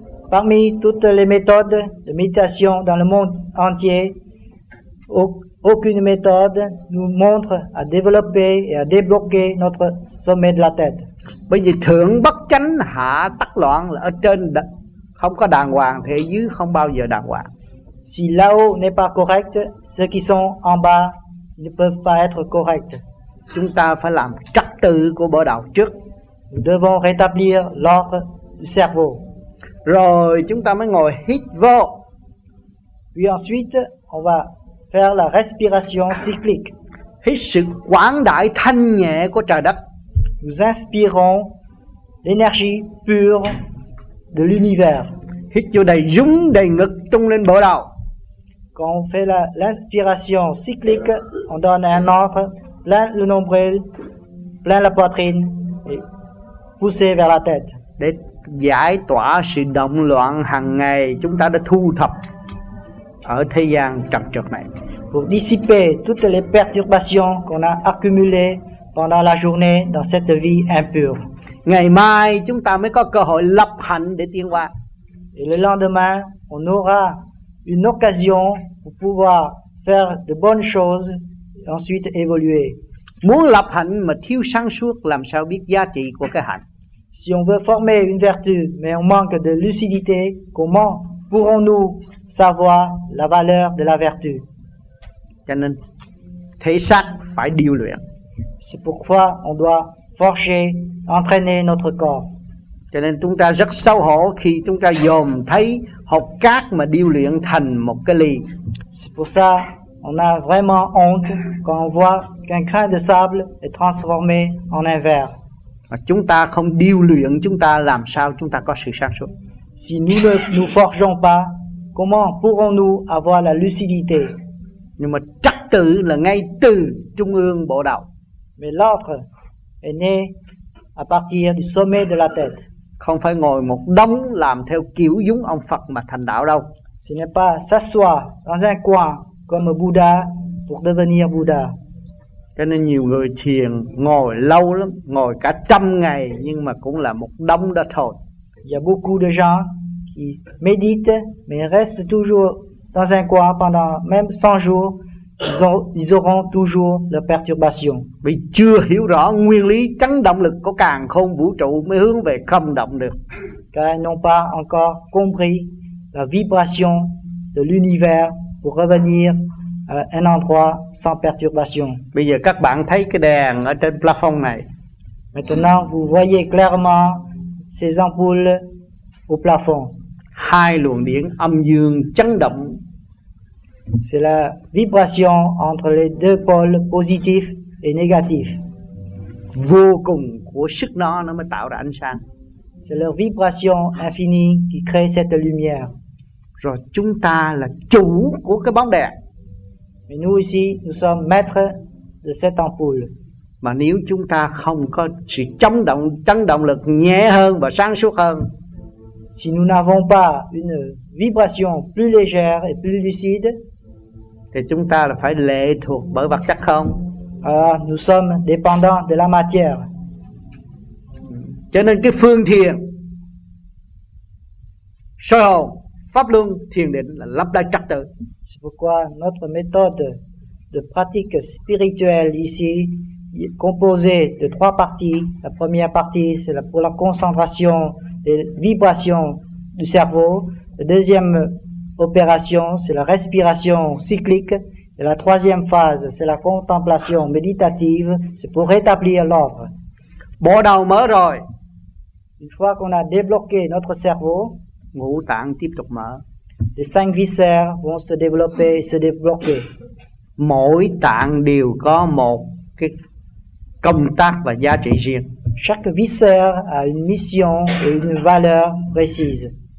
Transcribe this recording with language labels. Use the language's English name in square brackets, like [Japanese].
[French] Parmi toutes les méthodes de méditation dans le monde entier, aucune méthode nous montre à développer et à débloquer notre sommet de la tête. [Vietnamese] Bởi vì thượng bất chánh hạ tắc loạn là ở trên không có đàng hoàng thì dưới không bao giờ đàng hoàng. [French] Si là-haut n'est pas correct, ceux qui sont en bas ne peuvent pas être corrects. [Vietnamese] Chúng ta phải làm trật tự của bộ đầu trước. [French] Nous devons rétablir l'ordre du cerveau. [Vietnamese] Rồi chúng ta mới ngồi hít vô. [French] Puis ensuite, on va faire la respiration cyclique. [Vietnamese] Hít sự quảng đại thanh nhẹ của trời đất. [French] Nous inspirons l'énergie pure de l'univers. [Vietnamese] Hít vô đầy rúng đầy ngực tung lên bộ đầu. [French] Quand on fait l'inspiration cyclique, on donne un ordre plein le nombril, plein la poitrine et poussé vers la tête. [Vietnamese] Để giải tỏa sự động loạn hàng ngày chúng ta đã thu thập ở thế gian trần trược này. [French] Pour dissiper toutes les perturbations qu'on a accumulées pendant la journée dans cette vie impure. [Vietnamese] Ngày mai chúng ta mới có cơ hội lập hạnh để tiến qua. [French] Et le lendemain, on aura une occasion pour pouvoir faire de bonnes choses et ensuite évoluer. [Vietnamese] Muốn lập hạnh mà thiếu sáng suốt làm sao biết giá trị của cái hạnh. [French] Si on veut former une vertu mais on manque de lucidité, comment pourrons-nous savoir la valeur de la vertu? [Vietnamese] Cho nên thể xác phải điều luyện. [French] C'est pourquoi on doit forger, entraîner notre corps. [Vietnamese] Cho nên chúng ta rất xấu hổ khi chúng ta dòm thấy hộp cát mà điêu luyện thành một cái ly. [French] C'est pour ça on a vraiment honte quand on voit qu'un grain de sable est transformé en un verre. [Vietnamese] Mà chúng ta không điêu luyện chúng ta làm sao chúng ta có sự sáng suốt? [French] Si nous ne nous forgeons pas, comment pourrons-nous avoir la lucidité? [Vietnamese] Nhưng mà trật tự là ngay từ trung ương bộ đầu. [French] Mais l'ordre est né à partir du sommet de la tête. [Vietnamese] Không phải ngồi một đống làm theo kiểu giống ông Phật mà thành đạo đâu. [French] Ce n'est pas s'asseoir dans un coin comme Bouddha pour devenir Bouddha. [Vietnamese] Cho nên nhiều người thiền ngồi lâu lắm, ngồi cả trăm ngày nhưng mà cũng là một đống đó thôi. [French] Il y a beaucoup de gens qui méditent mais restent toujours dans un coin pendant même 100 jours. Ils auront toujours la perturbation. [Vietnamese] Vì chưa hiểu rõ nguyên lý chấn động lực của càn khôn vũ trụ mới hướng về không động được. [French] Car ils n'ont pas encore compris la vibration de l'univers pour revenir à un endroit sans perturbation. [Vietnamese] Bây giờ các bạn thấy cái đèn ở trên plafond này. [French] Maintenant vous voyez clairement ces ampoules au plafond. [Vietnamese] Hai luồng điện âm dương chấn động. [French] C'est la vibration entre les deux pôles positifs et négatif. [Vietnamese] Vô cùng của sức nó mới tạo ra ánh sáng. [French] C'est leur vibration infinie qui crée cette lumière. [Vietnamese] Rồi chúng ta là chủ của cái bóng đèn. [French] Mais nous aussi, nous sommes maîtres de cette ampoule. [Vietnamese] Mà nếu chúng ta không có sự chấn động, chấn động lực nhẹ hơn và sáng suốt hơn. [French] Si nous n'avons pas une vibration plus légère et plus lucide, [Vietnamese] thì chúng ta là phải lệ thuộc bởi vật chất không? [French] Nous sommes dépendants de la matière. [Vietnamese] Cho nên cái phương thiền, sơ hồn, pháp luân, thiền định là lập lại trật tự. [French] C'est pourquoi notre méthode de pratique spirituelle ici est composée de trois parties. La première partie, c'est pour la concentration des vibrations du cerveau. La deuxième opération, c'est la respiration cyclique. Et la troisième phase, c'est la contemplation méditative. C'est pour rétablir l'ordre. [Vietnamese] Bộ đầu mở rồi. [French] Une fois qu'on a débloqué notre cerveau, [Vietnamese] ngũ tạng tiếp tục mở. [French] Les cinq viscères vont se développer et se débloquer. [Vietnamese] Mỗi tạng đều có một cái công tác và giá trị riêng. [French] Chaque viscère a une mission et une valeur précise.